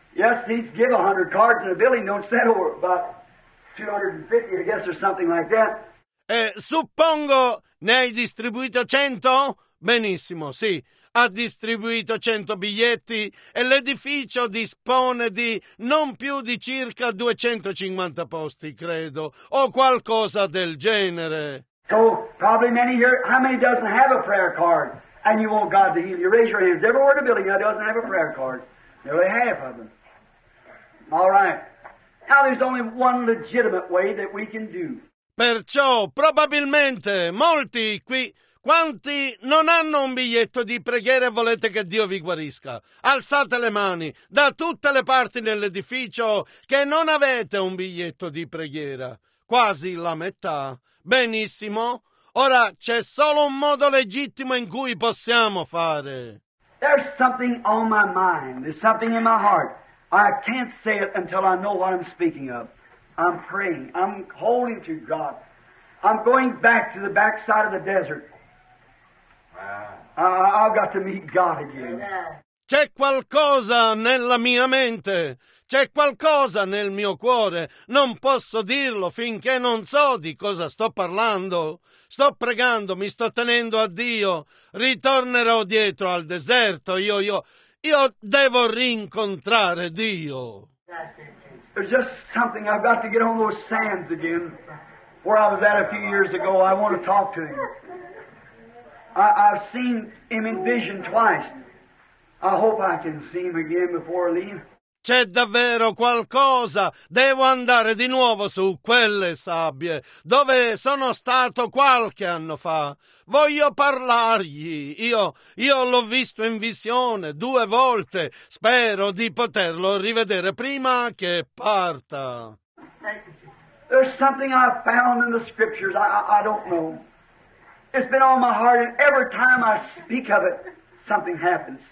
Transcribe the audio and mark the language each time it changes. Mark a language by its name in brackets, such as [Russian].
[English] Yes, he's give 100 cards in a building, don't settle about 250, I guess, or something like that. [Italian] Suppongo ne hai distribuito 100? Benissimo, sì. Ha distribuito 100 biglietti e l'edificio dispone di non più di circa 250 posti, credo, o qualcosa del genere. [English] So, probably many here, how many doesn't have a prayer card? And you want God to heal you? Raise your hands. Everywhere in the building that doesn't have a prayer card. Nearly half of them. All right. Now there's only one legitimate way that we can do. [Italian] Perciò, probabilmente, molti qui... Quanti non hanno un biglietto di preghiera e volete che Dio vi guarisca? Alzate le mani da tutte le parti nell'edificio che non avete un biglietto di preghiera. Quasi la metà. Benissimo. Ora c'è solo un modo legittimo in cui possiamo fare. [English] There's something on my mind. There's something in my heart. I can't say it until I know what I'm speaking of. I'm praying. I'm holding to God. I'm going back to the backside of the desert. I've got to meet God again. [Italian] C'è qualcosa nella mia mente, c'è qualcosa nel mio cuore, non posso dirlo finché non so di cosa sto parlando. Sto pregando, mi sto tenendo a Dio, ritornerò dietro al deserto, io devo rincontrare Dio. There's just something, I've got to get on those sands again, where I was at a few years ago, I want to talk to you. I've seen him in vision twice. I hope I can see him again before I leave. C'è davvero qualcosa. Devo andare di nuovo su quelle sabbie dove sono stato qualche anno fa. Voglio parlargli. Io l'ho visto in visione due volte. Spero di poterlo rivedere prima che parta. [English] There's something I found in the scriptures. I don't know. It's been on my heart, and every time I speak of it, something happens.